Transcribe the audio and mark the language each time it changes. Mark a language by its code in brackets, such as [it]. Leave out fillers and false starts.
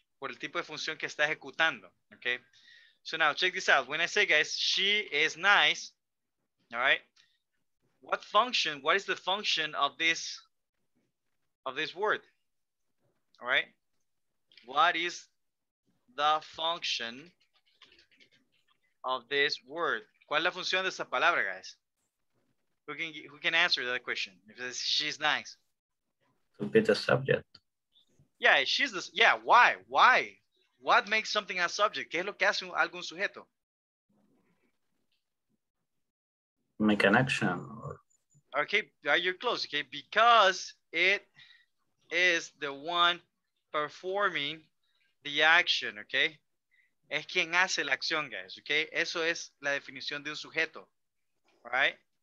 [es] Por el tipo de función que está ejecutando, okay? [en] So now check this out. When I say, guys, she is nice, all right? What is the function of this word? All right, what is the function of this word? [es] ¿Cuál es la función de esa palabra, guys? [en] Who can answer that question? If it's, she's nice. To be the subject. Yeah, she's the, yeah, why? Why? What makes something a subject? [es] ¿Qué es lo que hace algún sujeto? [en] Make an action. Okay, you're close, okay? Because it is the one performing the action, okay? [es] Es quien hace la acción, guys, okay? Eso es la definición de un sujeto, right?